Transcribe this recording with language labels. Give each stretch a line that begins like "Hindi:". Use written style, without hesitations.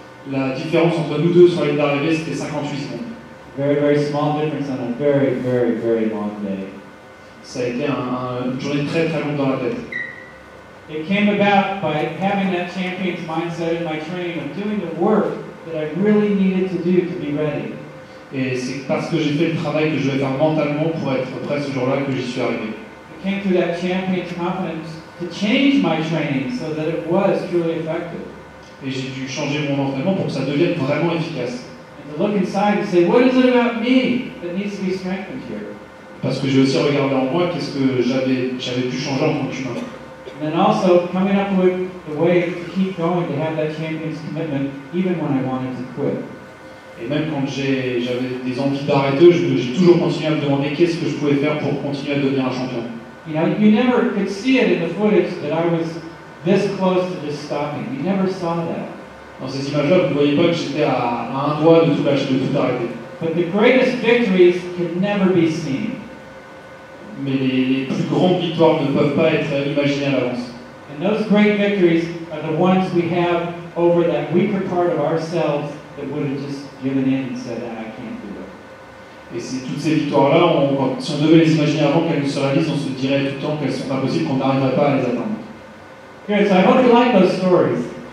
French: La différence entre nous deux sur la ligne d'arrivée, c'était 58 secondes.
English: Very, very small difference on a very, very, very long day.
French: Ça a été une journée très, très longue dans la tête.
English: It came about by having that champion's mindset in my training of doing the work that I really needed to do to be ready.
French: Et c'est parce que j'ai fait le travail que je vais faire mentalement pour être prêt ce jour-là que j'y suis arrivé.
English: It came through that champion's confidence to change my training so that it was truly effective.
French: Et j'ai dû changer mon entraînement pour que ça devienne vraiment efficace.
English: And to look inside and say, what is it about me that needs to be strengthened here?
French: Parce que j'ai aussi regardé en moi qu'est-ce que j'avais pu changer en tant qu'humain.
English: And then also coming up with the way to keep going, to have that champion's commitment, even when I wanted to quit.
French: Et même quand j'avais des envies d'arrêter, j'ai toujours continué à me demander qu'est-ce que je pouvais faire pour continuer à devenir un champion.
English: You know, you never could see it in the footage that I was this close to just stopping. You never saw that.
French: Dans ces images-là, vous ne voyez pas que j'étais à un doigt de tout lâcher, de tout arrêter.
English: But the greatest victories can never be seen.
French: Mais les plus grandes victoires ne peuvent pas être imaginées à l'avance.
English: And those great victories are the ones we have over that weaker part of ourselves that would have just given in and said, I can't do it.
French: Et c'est toutes ces victoires-là, si on devait les imaginer avant qu'elles ne se réalisent, on se dirait tout le temps qu'elles sont impossibles, qu'on n'arriverait pas à les atteindre.
English: Good, so I hope you like those stories.